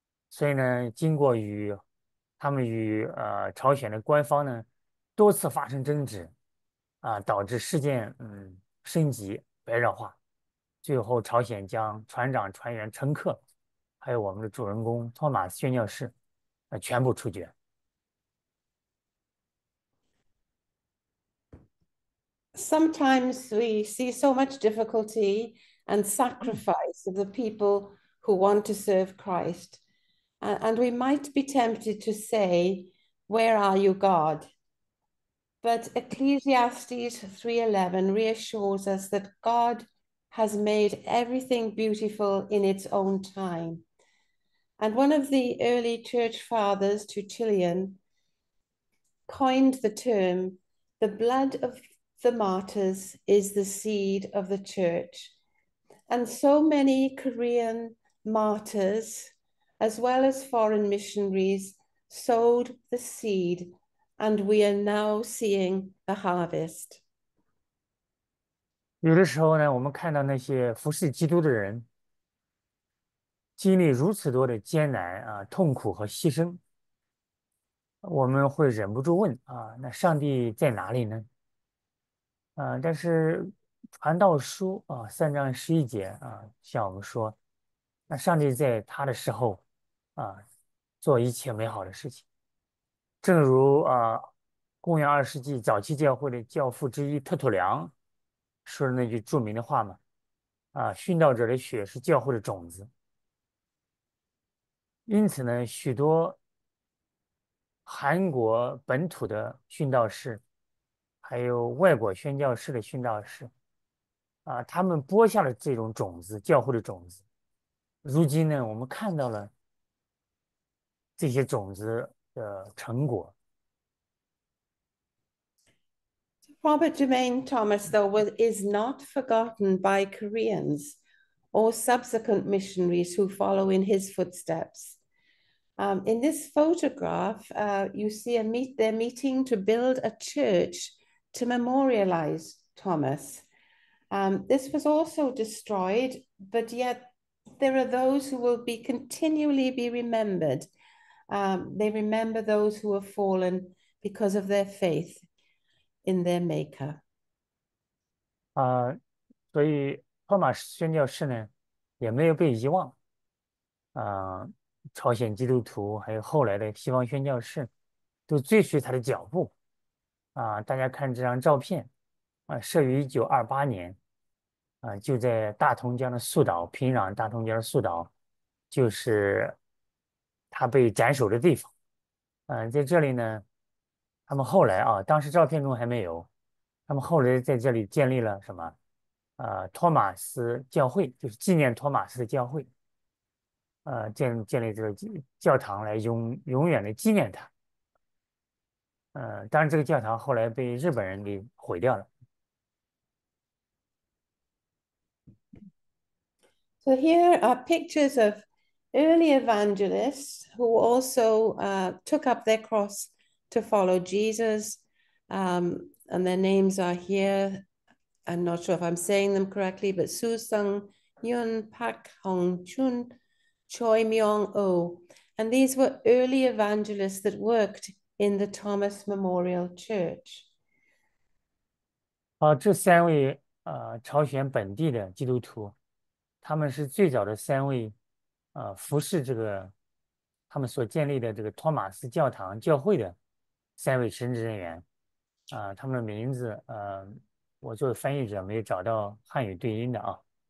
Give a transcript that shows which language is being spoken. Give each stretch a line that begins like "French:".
Chinese: 所以呢，经过与他们与朝鲜的官方呢多次发生争执，导致事件升级白热化。最后，朝鲜将船长、船员、乘客，还有我们的主人公托马斯宣教士，全部处决。
English: Sometimes we see so much difficulty and sacrifice of the people who want to serve Christ, and we might be tempted to say, "Where are you, God?" But Ecclesiastes 3:11 reassures us that God has made everything beautiful in its own time. And one of the early church fathers, Tertullian, coined the term, "The blood of the martyrs is the seed of the church." And so many Korean martyrs, as well as foreign missionaries, sowed the seed, and we are now seeing the harvest.
Chinese: 有的时候呢，我们看到那些服侍基督的人，经历如此多的艰难啊、痛苦和牺牲，我们会忍不住问啊，那上帝在哪里呢？但是传道书啊，3章11节啊，向我们说，那上帝在他的时候啊，做一切美好的事情，正如啊，公元20世纪早期教会的教父之一特土良说的那句著名的话嘛，啊，殉道者的血是教会的种子。因此呢，许多韩国本土的殉道士，还有外国宣教士的殉道士，啊，他们播下了这种种子，教会的种子。如今呢，我们看到了这些种子的成果。
English: Robert Jermaine Thomas, though, is not forgotten by Koreans or subsequent missionaries who follow in his footsteps. In this photograph, you see they're meeting to build a church to memorialize Thomas. This was also destroyed, but yet there are those who will continually be remembered. They remember those who have fallen because of their faith in their maker.
Chinese: 所以托马斯宣教士呢，也没有被遗忘。朝鲜基督徒还有后来的西方宣教士，都追随他的脚步。大家看这张照片，摄于1928年，就在大同江的树岛，平壤大同江的树岛，就是他被斩首的地方。在这里呢，他们后来啊，当时照片中还没有。他们后来在这里建立了什么？托马斯教会，就是纪念托马斯的教会。建立这个教堂来永远的纪念他。当然，这个教堂后来被日本人给毁掉了。
English: So here are pictures of early evangelists who also took up their cross to follow Jesus. And their names are here. I'm not sure if I'm saying them correctly, but Su Sung Yun, Pak Hong Chun, Choi Myong Oh. And these were early evangelists that worked in the Thomas Memorial Church.
Chinese: 这三位朝鲜本地的基督徒，他们是最早的三位服侍这个他们所建立的这个托马斯教堂教会的三位神职人员他们的名字我作为翻译者没有找到汉语对应的